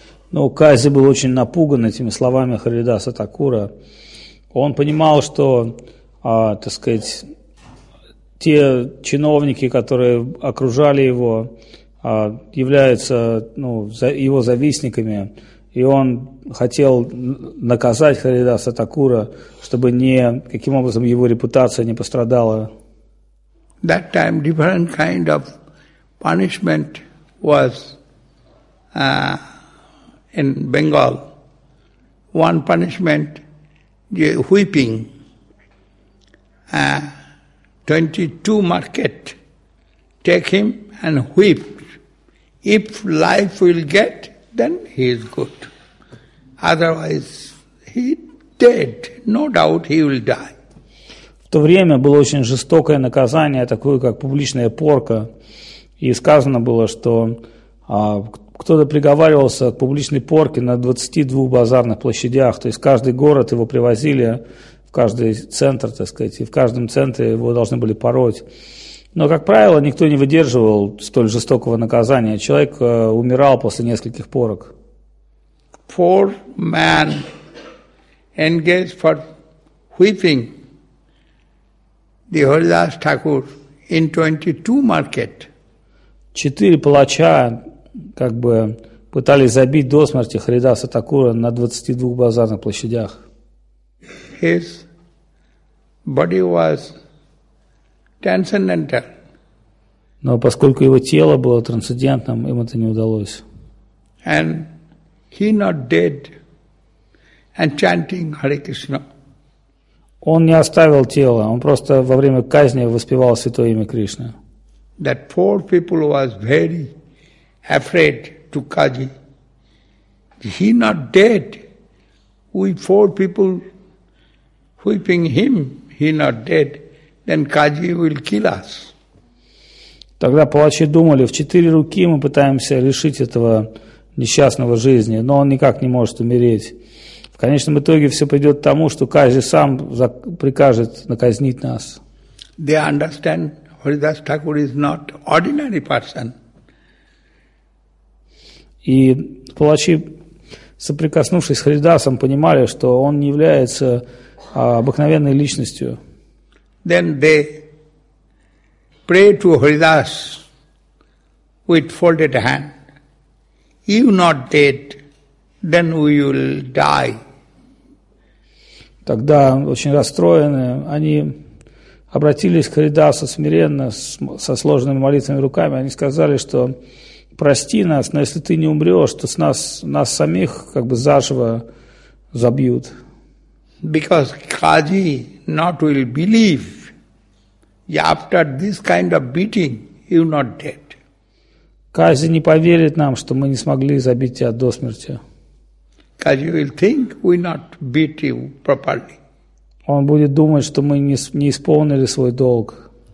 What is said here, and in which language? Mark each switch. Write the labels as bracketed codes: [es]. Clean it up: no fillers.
[ru] Но Кази был очень напуган этими словами Харидаса Такура. Он понимал, что, так сказать, те чиновники, которые окружали его, являются его завистниками, и он хотел наказать Харидаса Такура, чтобы никаким образом его репутация не пострадала. [en] That time different kind of punishment was in Bengal. One punishment, the whipping, 22 market, take him and whip. If life will get, then he is good. Otherwise, he dead. No doubt he will die. [ru] В то время было очень жестокое наказание, такое как публичная порка. И сказано было, что кто-то приговаривался к публичной порке на 22 базарных площадях. То есть каждый город его привозили в каждый центр, так сказать, и в каждом центре его должны были пороть. Но, как правило, никто не выдерживал столь жестокого наказания. Человек умирал после нескольких порок. [en] Poor man engaged for whipping the Haridas Thakur in 22 market. [ru] Четыре палача как бы пытались забить до смерти Харидаса Такура на 22 базарных площадях. [en] His body was transcendental. [ru] Но поскольку его тело было трансцендентным, им это не удалось. [en] And he not dead and chanting Hare Krishna. [ru] Он не оставил тело, он просто во время казни воспевал святое имя Кришны. [en] That poor people was very afraid to Kaji. He not dead. We four people whipping him, he not dead. Then Kaji will kill us. [ru] Тогда палачи думали, в четыре руки мы пытаемся лишить этого несчастного жизни, но он никак не может умереть. В конечном итоге все придет к тому, что Кази сам прикажет наказнить нас. [en] They understand Haridas Thakur is not ordinary person. [ru] И палачи, соприкоснувшись с Харидасом, понимали, что он не является обыкновенной личностью. [en] Then they pray to Haridas with folded hand. You not dead, then we will die. [ru] Тогда, очень расстроенные, они обратились к Харидасу смиренно, со сложенными молитвами руками. Они сказали, что прости нас, но если ты не умрешь, то нас самих как бы заживо забьют. [en] Because Kaji not will believe, after this kind of beating, you not dead. [ru] Кази не поверит нам, что мы не смогли забить тебя до смерти. [en] Kaji will think we not beat you properly. [ru] Он будет думать, что мы не исполнили свой долг.